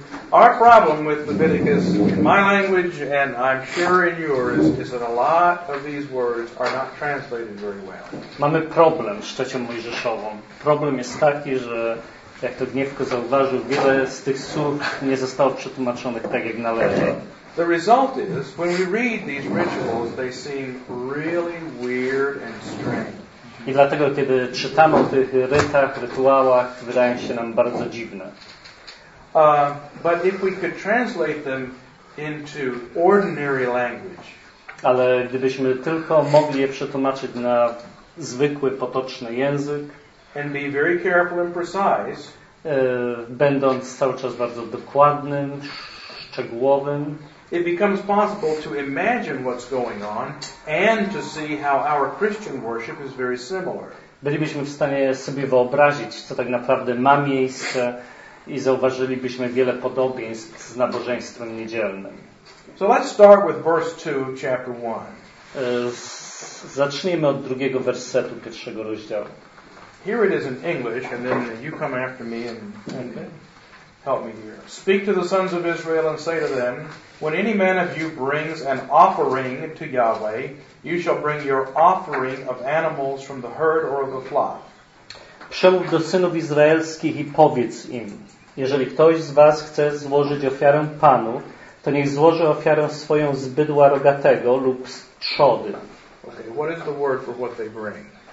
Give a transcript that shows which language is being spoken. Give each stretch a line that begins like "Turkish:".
English: Our problem with Leviticus in my language, and I'm sure in yours, is that a lot of these words are not translated very well.
Polish: Mamy problem z trzecią Mojżeszową. Problem jest taki, że jak to Gniewko zauważył, wiele z tych słów nie zostało przetłumaczonych tak, jak należy.
English: The result is, when we read these rituals, they seem really weird and strange.
Polish: I dlatego, kiedy czytamy o tych rytach, rytuałach, wydają się nam bardzo dziwne.
English: But if we could translate them into ordinary language.
Polish: Ale gdybyśmy tylko mogli je przetłumaczyć na zwykły, potoczny język,
English: and be very careful and precise,
Polish: będąc cały czas bardzo dokładnym, szczegółowym,
English: it becomes possible to imagine what's going on and to see how our Christian worship is very similar.
Polish: Bylibyśmy w stanie sobie wyobrazić, co tak naprawdę ma miejsce, i zauważylibyśmy wiele podobieństw z nabożeństwem niedzielnym.
English: So let's start with verse 2, chapter 1.
Polish: Zacznijmy od drugiego wersetu pierwszego rozdziału.
English: Here it is in English, and then you come after me and help me here. Speak to the sons of Israel and say to them, when any man of you brings an offering to Yahweh, you shall bring your offering of animals from the herd or of the flock.
Polish: Przemów do synów izraelskich i powiedz im, jeżeli ktoś z was chce złożyć ofiarę Panu, to niech złoży ofiarę swoją z bydła rogatego lub z trzody.
English: Okay, what is the word for what they bring?